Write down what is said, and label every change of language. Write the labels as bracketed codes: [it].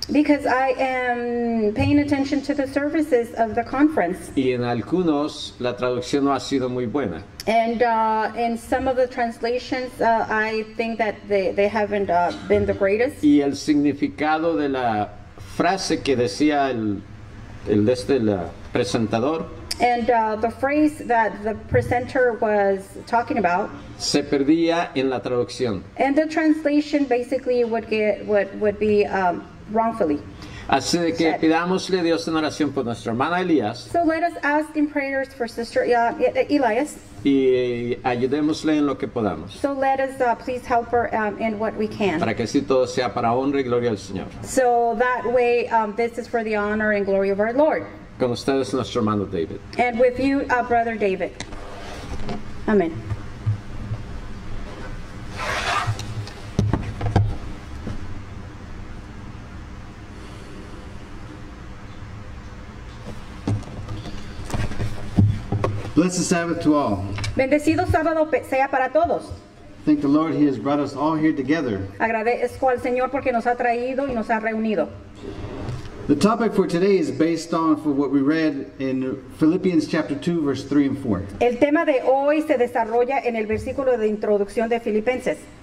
[en] Because I am paying attention to the services of the conference. [es] Y en algunos la traducción no ha sido muy buena. [en] And in some of the translations, I think that they haven't been the greatest. [es] Y el significado de la frase que decía el presentador. [en] And the phrase that the presenter was talking about. [es] Se perdía en la traducción. [en] And the translation basically would be wrongfully. [es] Así que pidámosle a Dios en oración por nuestra hermana Elías. [en] So let us ask in prayers for Sister Elias. [es] Y ayudémosle en lo que podamos. [en] So let us please help her in what we can. [es] Para que así todo sea para honra y gloria del Señor. [en] So that way this is for the honor and glory of our Lord. [es] Con ustedes nuestro hermano David. [en] And with you, brother David. Amen. Bless the Sabbath to all. [es] Bendecido sábado sea para todos. [en] Thank the Lord, He has brought us all here together. [es] Agradezco al Señor porque nos ha traído y nos ha reunido. [en] The topic for today is based on for what we read in Philippians chapter 2, verse 3 and 4. [es] El tema de hoy se desarrolla en el versículo de introducción de Filipenses.